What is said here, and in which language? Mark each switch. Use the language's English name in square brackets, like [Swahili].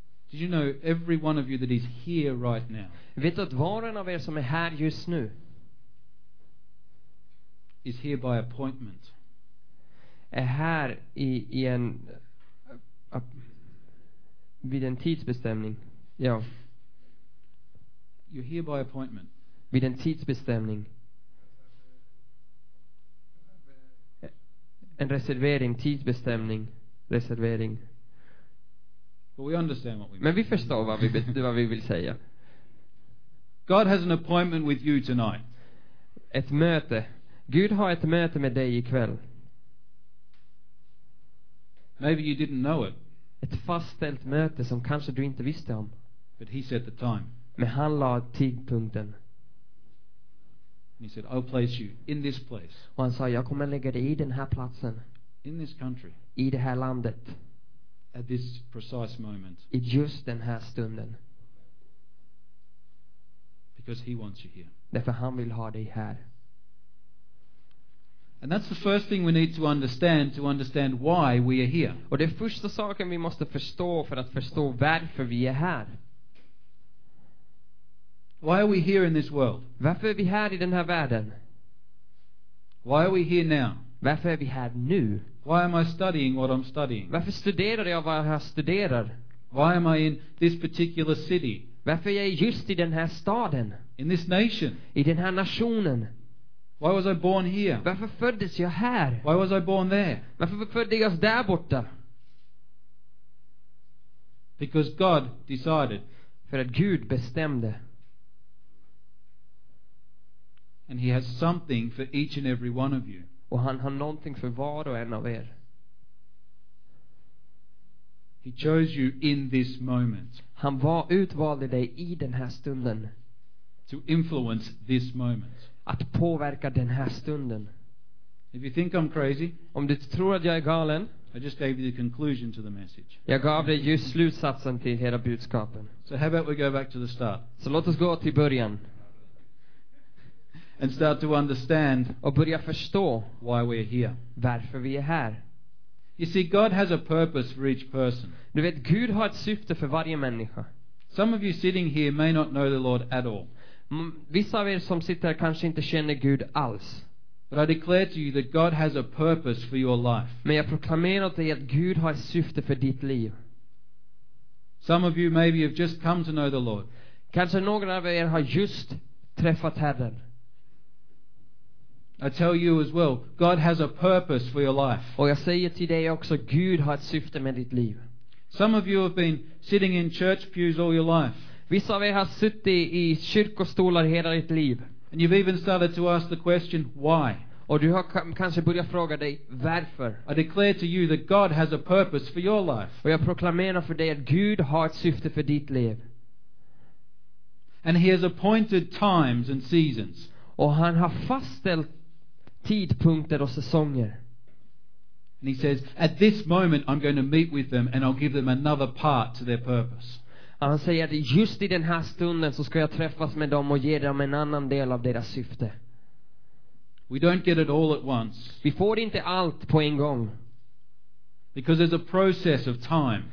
[English] Did you know every one of you that is here right now? [Swedish] Vet att var en av er som är här just nu [English] is here by appointment. [Swedish] Är här i en vid en tidsbestämning. Ja. [English] You're here by appointment. [Swedish] Vid en tidsbestämning. En reservering, tidsbestämning, reservering. [English] But we understand what we mean. [Swedish] Men vi förstår vad vi vill säga. [English] God has an appointment with you tonight. [Swedish] Ett möte. Gud har ett möte med dig ikväll. [English] Maybe you didn't know it. [Swedish] Ett fastställt möte som kanske du inte visste om. [English] But he set the time. [Swedish] Men han lade tidpunkten. [English] He said, "I'll place you in this place." [Swedish] Och han sa, jag kommer lägga dig i den här platsen. [English] In this country. [Swedish] I det här landet. [English] At this precise moment. [Swedish] I just den här stunden. [English] Because he wants you here. [Swedish] Därför han vill ha dig här. [English] And that's the first thing we need to understand why we are here. [Swedish] Och det första saken vi måste förstå för att förstå varför vi är här. [English] Why are we here in this world? [Swedish] Varför är vi här i den här världen? [English] Why are we here now? [Swedish] Varför är vi här nu? [English] Why am I studying what I'm studying? [Swedish] Varför studerar jag vad jag studerar? [English] Why am I in this particular city? [Swedish] Varför är jag just i den här staden? [English] In this nation? [Swedish] I den här nationen? [English] Why was I born here? [Swedish] Varför föddes jag här? [English] Why was I born there? [Swedish] Varför föddes jag där borta? [English] Because God decided. [Swedish] För att Gud bestämde. [English] And he has something for each and every one of you. [Swedish] Och han har någonting för var och en av er. [English] He chose you in this moment. [Swedish] Han utvalde dig i den här stunden. [English] To influence this moment. [Swedish] Att påverka den här stunden. [English] If you think I'm crazy, [Swedish] om du tror att jag är galen, [English] I just gave you the conclusion to the message. [Swedish] Jag gav dig just slutsatsen till hela budskapen. [English] So how about we go back to the start? [Swedish] Så låt oss gå till början. [English] And start to understand [Swedish] och börja förstå [English] why we're here. [Swedish] Varför vi är här. [English] You see, God has a purpose for each person. [Swedish] Du vet, Gud har ett syfte för varje människa. [English] Some of you sitting here may not know the Lord at all. [Swedish] Vissa av er som sitter här kanske inte känner Gud alls. [English] But I declare to you that God has a purpose for your life. [Swedish] Men jag proklamerar till dig att Gud har ett syfte för ditt liv. [English] Some of you maybe have just come to know the Lord. [Swedish] Kanske några av er har just träffat Herren. [English] I tell you as well, God has a purpose for your life. [Swedish] Och jag säger till dig också, Gud har ett syfte med ditt liv. [English] Some of you have been sitting in church pews all your life. [Swedish] Vissa av er har suttit i kyrkostolar hela ditt liv. [English] And you've even started to ask the question, why? [Swedish] Och du har kanske börjat fråga dig, varför? [English] I declare to you that God has a purpose for your life. [Swedish] Och jag proklamerar för dig att Gud har ett syfte för ditt liv. [English] And he has appointed times and seasons. [Swedish] Och han har fastställt tidpunkter och säsonger. [English] And he says, at this moment I'm going to meet with them and I'll give them another part to their purpose. [Swedish] Och han säger att just i den här stunden så ska jag träffas med dem och ge dem en annan del av deras syfte. We don't get it all at once. Vi får inte allt på en gång. [English] Because there's a process of time.